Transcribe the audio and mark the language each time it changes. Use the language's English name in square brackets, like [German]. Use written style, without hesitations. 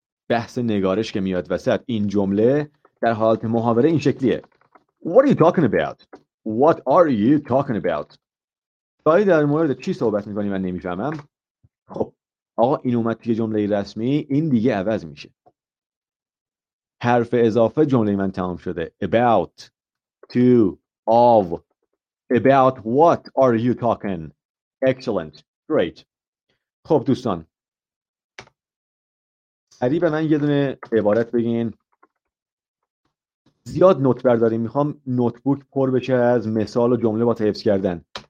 [Persian] بحث نگارش که میاد وسط، این جمله در حالت محاوره این شکلیه. [English] What are you talking about? What are you talking about? [Persian] داری در مورد چی صحبت میکنی؟ من نمیفهمم. خب آقا این اومد توی جمله رسمی، این دیگه عوض میشه. حرف اضافه جمله من تمام شده. [English] About, to, of, about what are you talking? Excellent. Great. [Persian] خب دوستان، سریع به من یه دونه عبارت بگین. زیاد نوت برداریم، میخوام نوتبوک پر بشه از مثال و جمله با حفظ کردن.